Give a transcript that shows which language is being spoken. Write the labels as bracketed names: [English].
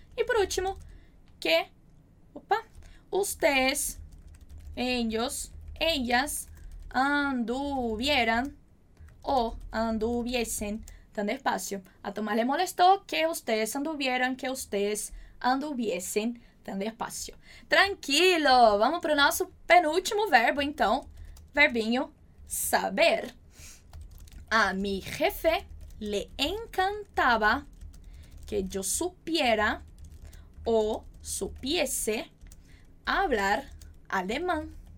[Spanish] Y por último, que, opa, ustedes, ellos, ellas, anduvieran o anduviesen tan despacio. A Tomás le molestó que ustedes anduvieran, que ustedes anduviesen tan despacio. [Portuguese] Tranquilo, vamos para o nosso penúltimo verbo, então. Verbinho saber. [Spanish] A mi jefe le encantaba que yo supiera o supiese hablar alemán.